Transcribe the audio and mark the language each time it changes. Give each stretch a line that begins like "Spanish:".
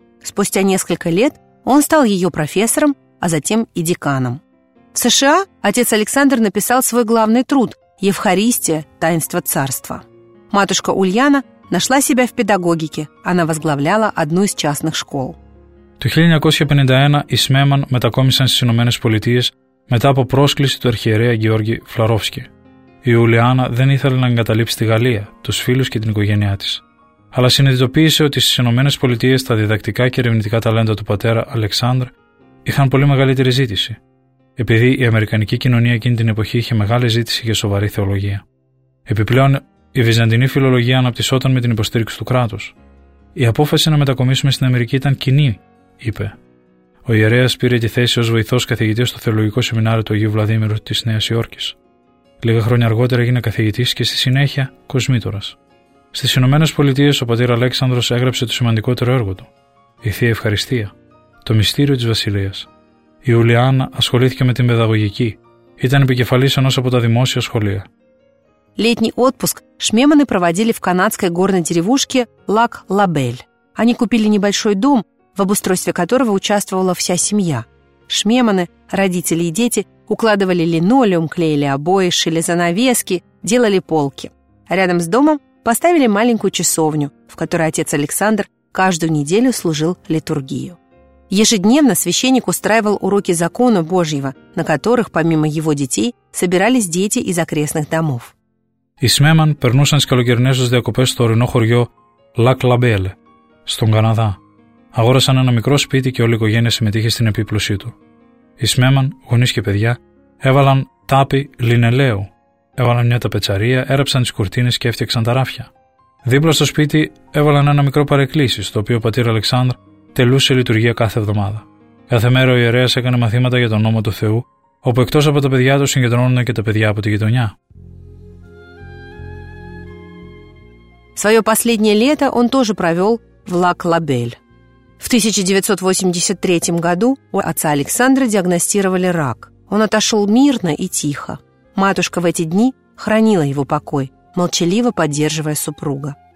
Russian: Спустя несколько лет он стал ее профессором, а затем и деканом. В США отец Александр написал свой главный труд «Евхаристия. Таинство царства». Матушка Ульяна нашла себя в педагогике. Она возглавляла одну из частных школ. В 1951 Исмеман метакомисан в Соединенные Штаты
Greek: μετά από πρόσκληση του αρχιερέα Γιώργη Φλαρόφσκη. Η Ιουλιάνα δεν ήθελε να εγκαταλείψει τη Γαλλία, τους φίλους και την οικογένειά της. Αλλά συνειδητοποίησε ότι στις Ηνωμένες Πολιτείες τα διδακτικά και ερευνητικά ταλέντα του πατέρα Αλεξάνδρ είχαν πολύ μεγαλύτερη ζήτηση, επειδή η Αμερικανική κοινωνία εκείνη την εποχή είχε μεγάλη ζήτηση για σοβαρή θεολογία. Επιπλέον, η Βυζαντινή φιλολογία αναπτυσσόταν με την υποστήριξη του κράτους. Η απόφαση να μετακομίσουμε στην Αμερική ήταν κοινή, είπε. Ο ιερέας πήρε τη θέση ως βοηθός καθηγητής στο θεολογικό σεμινάριο του Αγίου Βλαδίμηρου της Νέας Υόρκης. Λίγα χρόνια αργότερα έγινε καθηγητής και στη συνέχεια κοσμήτορας. Στις Ηνωμένες Πολιτείες ο πατήρ Αλέξανδρος έγραψε το σημαντικότερο έργο του, η Θεία Ευχαριστία, το Μυστήριο της Βασιλείας. Ιουλιάνα ασχολήθηκε με την παιδαγωγική. Ήταν επικεφαλής ενός από τα δημόσια σχολεία.
Russian: Летний отпуск Шмеманы проводили в канадской горной деревушке Лак-Лабель. Они купили небольшой дом, в обустройстве которого участвовала вся семья. Шмеманы, родители и дети, укладывали линолеум, клеили обои, шили занавески, делали полки. Рядом с домом поставили маленькую часовню, в которой отец Александр каждую неделю служил литургию. Ежедневно священник устраивал уроки закона Божьего, на которых, помимо его детей, собирались дети из окрестных домов.
Greek: Οι Σμέμαν περνούσαν τις καλοκαιρινές τους διακοπές στο ορεινό χωριό Λακ-Λαμπέλε, στον Καναδά. Αγόρασαν ένα μικρό σπίτι και όλη η οικογένεια συμμετείχε στην επίπλωσή του. Οι Σμέμαν, γονείς και παιδιά, έβαλαν τάπη λινελαίου. Έβαλαν μια ταπετσαρία, έραψαν τις κουρτίνες και έφτιαξαν τα ράφια. Δίπλα στο σπίτι έβαλαν ένα μικρό παρεκκλήσι, στο οποίο ο πατήρ Αλεξάνδρ τελούσε λειτουργία κάθε εβδομάδα. Κάθε μέρα ο ιερέας έκανε μαθήματα για τον νόμο του Θεού, όπου εκτός από τα παιδιά του συγκεντρώνονταν και τα παιδιά από τη γειτονιά.
Russian: Свое последнее лето он тоже провел в Лак-Лабель. В 1983 году у отца Александра диагностировали рак. Он отошел мирно и тихо. Матушка в эти дни хранила его покой, молчаливо поддерживая супруга.